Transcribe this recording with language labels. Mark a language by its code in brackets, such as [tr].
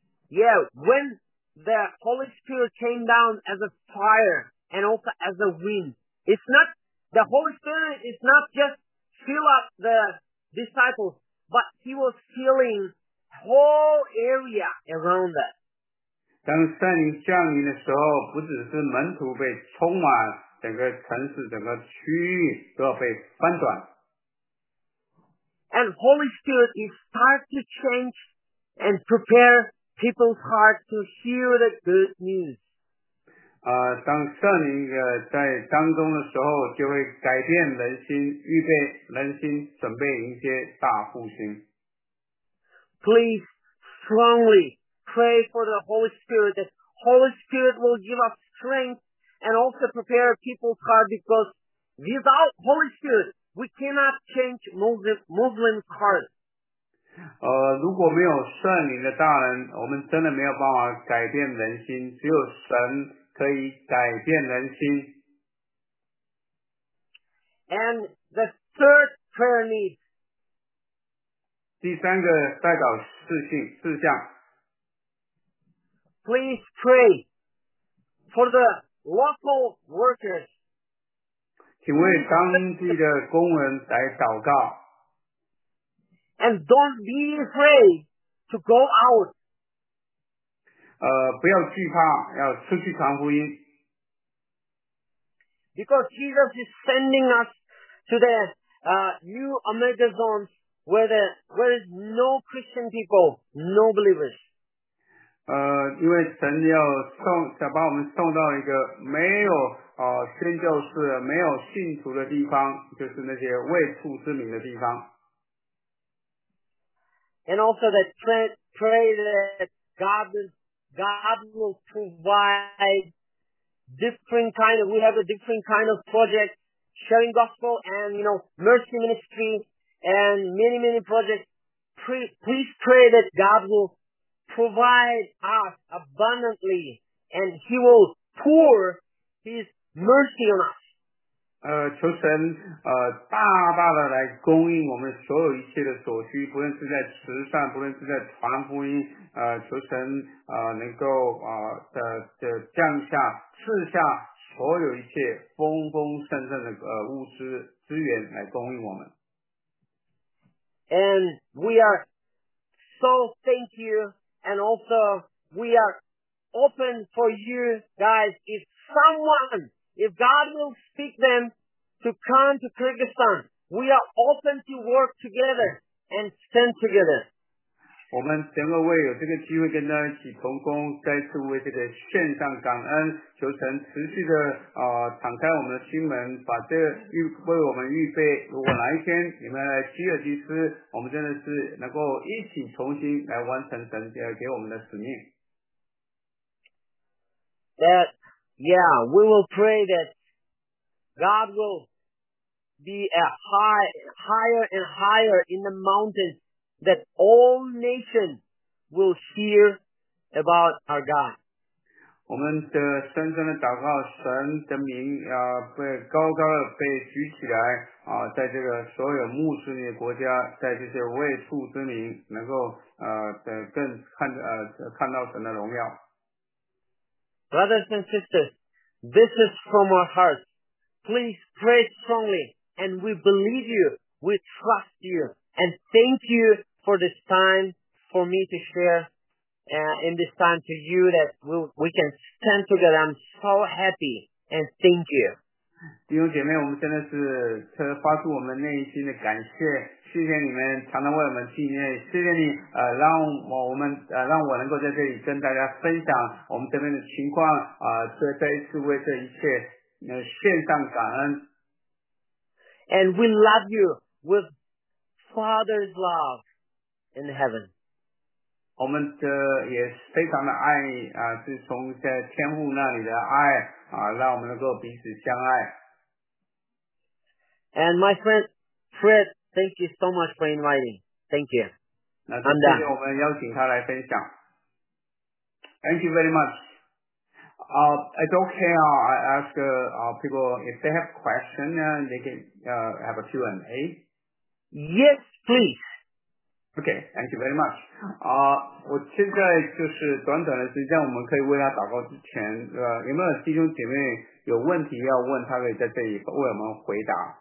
[en] Yeah, when the Holy Spirit came down as a fire and also as a wind, it's not, the Holy Spirit is not just fill up the disciples, but he was filling whole area around us. [zh] 当圣灵降临的时候，不只是门徒被充满，整个城市、整个区域都要被翻转。 [en] And Holy Spirit is start to change and prepare people's heart to hear the good news. [zh] 当圣灵在当中的时候，就会改变人心，预备人心，准备迎接大复兴。 [en] Please strongly pray for the Holy Spirit that Holy Spirit will give us strength and also prepare people's heart because without Holy Spirit, we cannot change Muslim's heart. [zh] 如果没有圣灵的大能，我们真的没有办法改变人心，只有神可以改变人心。 [en] And the third prayer need. [zh] 第三个代祷事项。 [en] Please pray for the local workers. [zh] 请为当地的工人来祷告。 [en] And don't be afraid to go out. [zh] 不要惧怕，要出去传福音。 [en] Because Jesus is sending us to the new Omega zones where there's no Christian people, no believers. [zh] 因为神要送，想把我们送到一个没有宣教士、没有信徒的地方，就是那些未处之名的地方。 [en] And also that pray that God will provide different kind of, we have a different kind of project, sharing gospel and, you know, mercy ministry and many, many projects. Please pray that God will provide us abundantly and he will pour his mercy on us. [zh] 求神大大的来供应我们所有一切的所需，不论是在慈善，不论是在传福音，求神能够的降下赐下所有一切丰丰盛盛的物资资源来供应我们。 [en] And we are so thank you and also we are open for you guys if someone if God will speak them to come to Kyrgyzstan, we are open to work together and stand together. [zh] 我们等各位有这个机会跟大家一起同工，再次为这个献上感恩，求神持续的敞开我们的心门，把这为我们预备。如果哪一天你们来吉尔吉斯，我们真的是能够一起重新来完成神给我们的使命。 [en] That, yeah, we will pray that God will be a higher and higher in the mountains that all nations will hear about our God. [zh] 我们的深深的祷告，神的名被高高的被举起来在这个所有穆斯林的国家，在这些未处之民能够更看到神的荣耀。 [en] Brothers and sisters, this is from our hearts. Please pray strongly, and we believe you, we trust you, and thank you for this time for me to share in this time to you that we can stand together. I'm so happy and thank you. [zh] 弟兄姐妹，我们真的是发出我们内心的感谢，谢谢你们常常为我们纪念，谢谢你让我能够在这里跟大家分享我们这边的情况再一次为这一切献上感恩。 [en] And we love you with Father's love in heaven. [zh] 我们也非常的爱你是从在天父那里的爱让我们能够彼此相爱。 [en] And my friend Fred, thank you so much for inviting. Thank you. I'm done. [zh] 那今天我们邀请他来分享。 [en] Thank you very much. It's okay. I ask people if they have questions, they can have a Q&A. Yes, please. Okay, thank you very much. [zh] 我现在就是短短的时间，我们可以为他祷告之前，有没有弟兄姐妹有问题要问他，可以在这里为我们回答。